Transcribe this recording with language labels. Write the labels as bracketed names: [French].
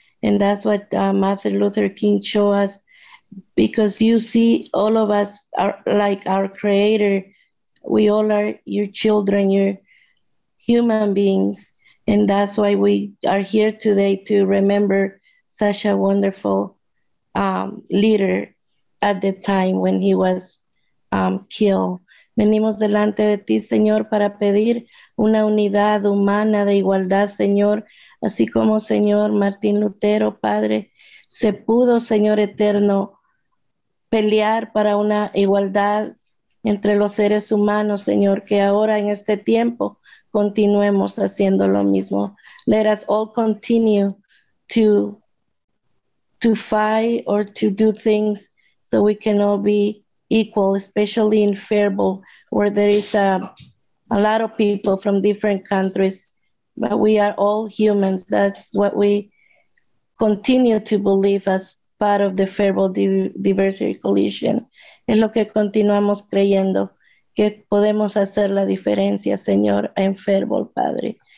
[English] And that's what Martin Luther King showed us, because you see all of us are like our Creator. We all are your children, your human beings. And that's why we are here today to remember such a wonderful leader at the time when he was killed. [Spanish] Venimos delante de ti, Señor, para pedir una unidad humana de igualdad, Señor, así como, Señor, Martín Lutero, Padre, se pudo, Señor eterno, pelear para una igualdad entre los seres humanos, Señor, que ahora en este tiempo continuemos haciendo lo mismo. [English] Let us all continue to fight or to do things so we can all be equal, especially in Faribault, where there is a lot of people from different countries, but we are all humans. That's what we continue to believe as part of the Faribault Diversity Coalition. [Spanish] Es lo que continuamos creyendo, que podemos hacer la diferencia, Señor, en Faribault, Padre.